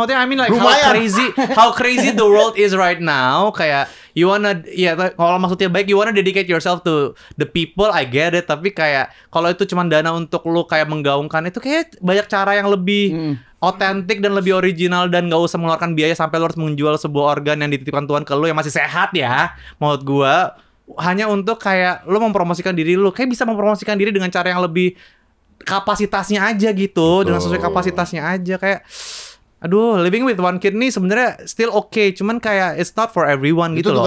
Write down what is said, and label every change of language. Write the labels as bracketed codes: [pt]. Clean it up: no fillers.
[id] Maksudnya [en] I mean like how crazy the world is right now. [id] Kayak [en] you wanna [id] kalau maksudnya baik, [en] you wanna dedicate yourself to the people, I get it. [id] Tapi kayak kalau itu cuma dana untuk lu kayak menggaungkan itu, kayak banyak cara yang lebih otentik dan lebih original, dan gak usah mengeluarkan biaya sampai lu harus menjual sebuah organ yang dititipkan Tuhan ke lu yang masih sehat ya. Menurut gua hanya untuk kayak lu mempromosikan diri lu, kayak bisa mempromosikan diri dengan cara yang lebih kapasitasnya aja gitu. Betul. Dengan sesuai kapasitasnya aja. Kayak aduh, [en] living with one kidney [id] sebenarnya [en] still okay, [id] cuman kayak [en] it's not for everyone [id] gitu loh.